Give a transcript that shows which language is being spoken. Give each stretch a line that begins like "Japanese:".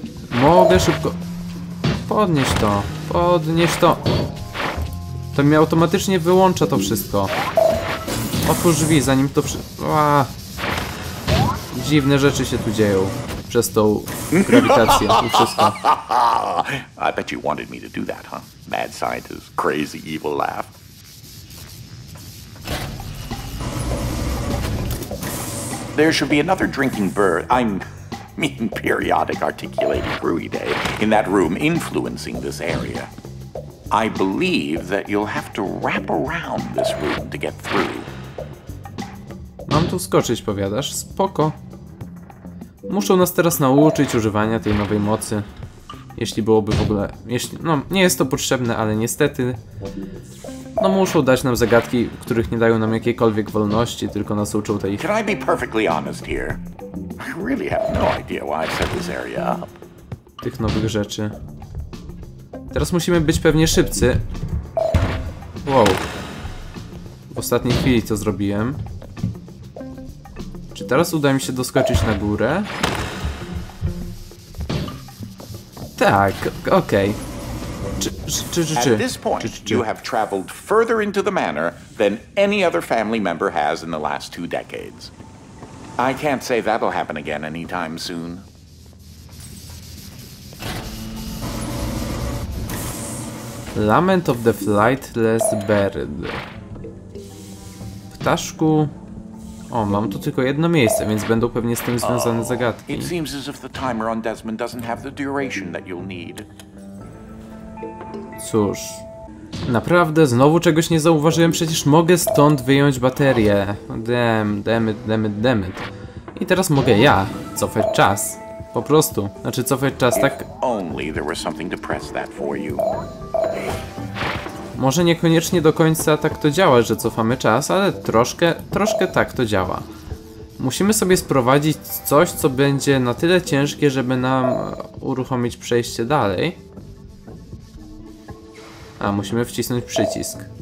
Polish: Mogę szybko. Podnieś to, podnieś to. To mi automatycznie wyłącza to wszystko. Otwórz drzwi, zanim to dziwne rzeczy się tu dzieją. Przez tą grawitację i wszystko.
English: I bet you wanted me to do that, huh? Mad scientist, crazy, evil laugh. There should be another drinking bird. I mean, periodic articulating brewy day in that room, influencing this area. I believe that you'll have to wrap around this room to get through.
Polish: Mam tu skoczyć, powiadasz? Spoko. Muszą nas teraz nauczyć używania tej nowej mocy. Jeśli byłoby w ogóle... No, nie jest to potrzebne, ale niestety... No, muszą dać nam zagadki, których nie dają nam jakiejkolwiek wolności, tylko nas uczą tej...
English: Can I be perfectly honest here? I really have no idea why I set this area up.
Polish: Tych nowych rzeczy. Teraz musimy być pewnie szybcy. Wow. W ostatniej chwili to zrobiłem. Czy teraz uda mi się doskoczyć na górę? Tak, okej. Czy
English: you have traveled further into the manor than any other family member has in the last two decades. I can't say that'll happen again anytime soon. Lament of the Flightless Bird.
Polish: Ptaszku. O, mam tu tylko jedno miejsce, więc będą pewnie z tym związane zagadki.
English: It seems as if the timer on Desmond doesn't have the duration that you'll need.
Polish: Cóż. Naprawdę, znowu czegoś nie zauważyłem, przecież mogę stąd wyjąć baterię.
English: Damn it.
Polish: I teraz mogę ja cofać czas. Po prostu. Znaczy cofać czas tak...
English: Only there was something to press that for you.
Polish: Może niekoniecznie do końca tak to działa, że cofamy czas, ale troszkę tak to działa. Musimy sobie sprowadzić coś, co będzie na tyle ciężkie, żeby nam uruchomić przejście dalej. A, musimy wcisnąć przycisk.